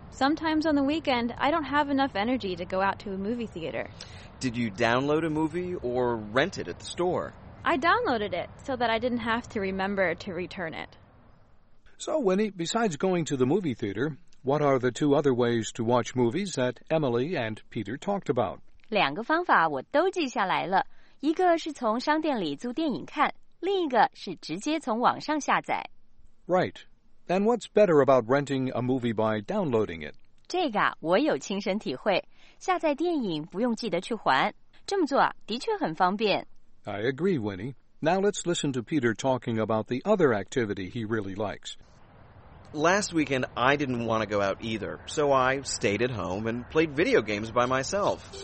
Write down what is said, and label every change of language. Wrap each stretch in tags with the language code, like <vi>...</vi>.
<en>Sometimes on the weekend, I don't have enough energy to go out to a movie theater. Did you download a movie or rent it at the store? I downloaded it so that I didn't have to remember to return it. So, Winnie, besides going to the movie theater, what are the two other ways to watch movies that Emily and Peter talked about?</en> <zh>两个方法我都记下来了，一个是从商店里租电影看，另一个是直接从网上下载。</zh> <en>Right. And what's better about renting a movie by downloading it?</en> <zh>这个我有亲身体会。下载电影不用记得去还。这么做的确很方便。</zh> <en>I agree, Winnie. Now let's listen to Peter talking about the other activity he really likes. Last weekend, I didn't want to go out either, so I stayed at home and played video games by myself.</en>